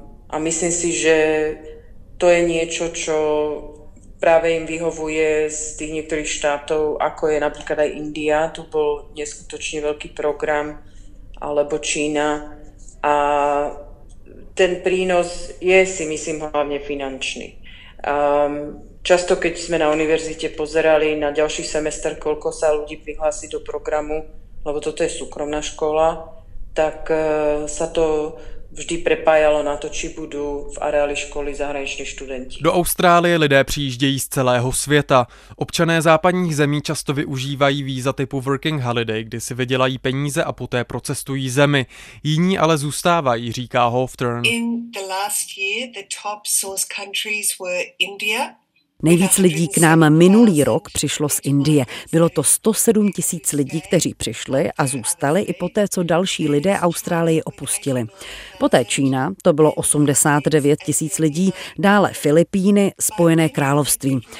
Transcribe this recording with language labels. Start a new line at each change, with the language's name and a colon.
Czech: A myslím si, že to je něco, co právě jim vyhovuje z těch některých štátov, jako je například i India, to byl neskutočně velký program,
Slovak: alebo Čína. A ten prínos je, si myslím, hlavne finančný. Často, keď sme na univerzite pozerali na ďalší semester, koľko sa ľudí prihlási do programu, lebo toto je súkromná škola, tak sa to vždy prepájalo na to, či budú v areáli školy zahraniční študenti.
Czech: Do Austrálie lidé přijíždějí z celého světa. Občané západních zemí často využívají víza typu Working Holiday, kdy si vydělají peníze a poté procestují zemi. Jiní ale zůstávají, říká Hoftern.
English: In the last year, the top source countries were India.
Czech: Nejvíc lidí k nám minulý rok přišlo z Indie. Bylo to 107 tisíc lidí, kteří přišli a zůstali i poté, co další lidé Austrálii opustili. Poté Čína, to bylo 89 tisíc lidí, dále Filipíny, Spojené království.